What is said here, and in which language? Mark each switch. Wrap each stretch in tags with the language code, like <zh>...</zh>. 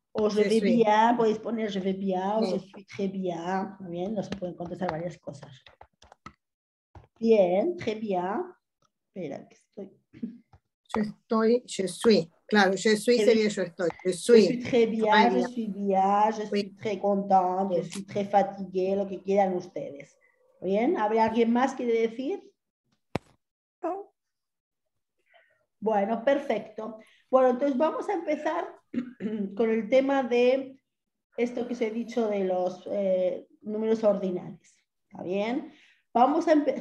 <fr>O je vais bien,</fr> <es>podéis poner</es> <fr>je vais bien o je suis très bien.</fr> <es>Muy bien, nos pueden contestar varias cosas. Bien,</es> <fr>très bien.</fr> <es>Espera, que estoy.</es> <fr>Je suis. Claro, je suis</fr> <es>sería yo estoy.</es> <fr>Je suis. Je suis très bien, je suis bien, je suis très contente, je suis très fatigué,</fr> <es>lo que quieran ustedes. Bien, ¿habrá alguien más que decir? No. Bueno, perfecto. Bueno, entonces vamos a empezar con el tema de esto que os he dicho de los números ordinales. ¿Está bien? Vamos a empezar.</es>